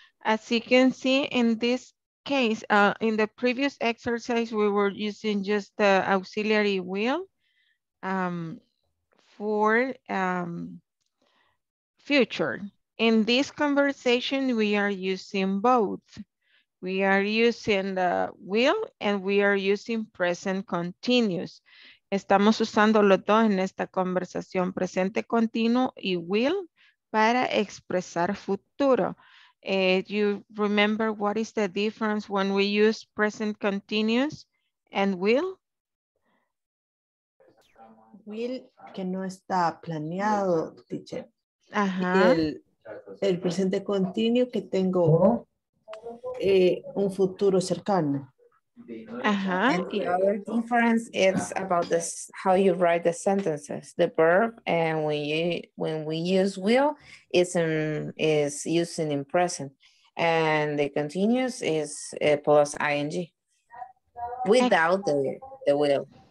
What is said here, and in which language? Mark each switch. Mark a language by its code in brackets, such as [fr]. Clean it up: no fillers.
[en] As you can see in this case, in the previous exercise, we were using just the auxiliary will for future. In this conversation, we are using both. We are using the will and we are using present continuous. [es] Estamos usando los dos en esta conversación, presente continuo y will, para expresar futuro. [en] You remember what is the difference when we use present continuous and will? [es] Will, que no está planeado, teacher. Ajá. El presente continuo que tengo un futuro cercano. Ajá. [en] And the other difference is about this, how you write the sentences, the verb, and when we use will, is using in present, and the continuous is plus ing, without the will.